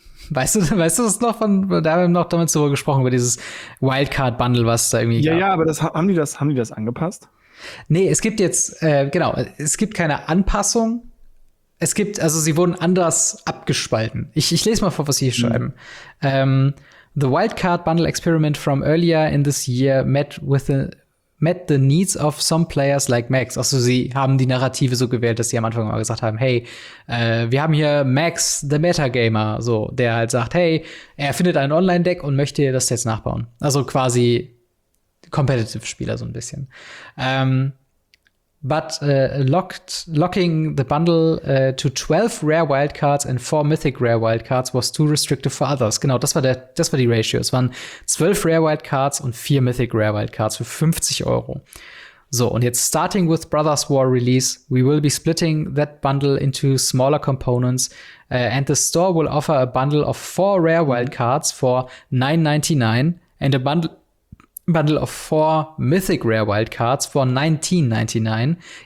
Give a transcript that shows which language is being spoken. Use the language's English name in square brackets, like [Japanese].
[German] Weißt du das noch von, da haben wir noch damals drüber gesprochen, über dieses Wildcard-Bundle, was da irgendwie ja, gab. Ja, aber das, haben die das angepasst? Nee, es gibt jetzt, genau, es gibt keine Anpassung. Es gibt, also sie wurden anders abgespalten. Ich lese mal vor, was sie hier schreiben. [English] The Wildcard Bundle Experiment from earlier in this year met the needs of some players like Max. [German] Also sie haben die Narrative so gewählt, dass sie am Anfang mal gesagt haben, hey, wir haben hier Max, the Metagamer, so, der halt sagt, hey, er findet ein Online-Deck und möchte das jetzt nachbauen. Also quasi Competitive-Spieler so ein bisschen. [English] But locking the bundle to 12 rare wildcards and 4 mythic rare wildcards was too restrictive for others. [German] Genau, das war die Ratio. Es waren 12 rare wildcards und 4 mythic rare wildcards für 50 Euro. So, und jetzt [English] starting with Brothers War Release, we will be splitting that bundle into smaller components and the store will offer a bundle of 4 rare wildcards for $9.99 and a bundle of 4 mythic rare wildcards for $19.99.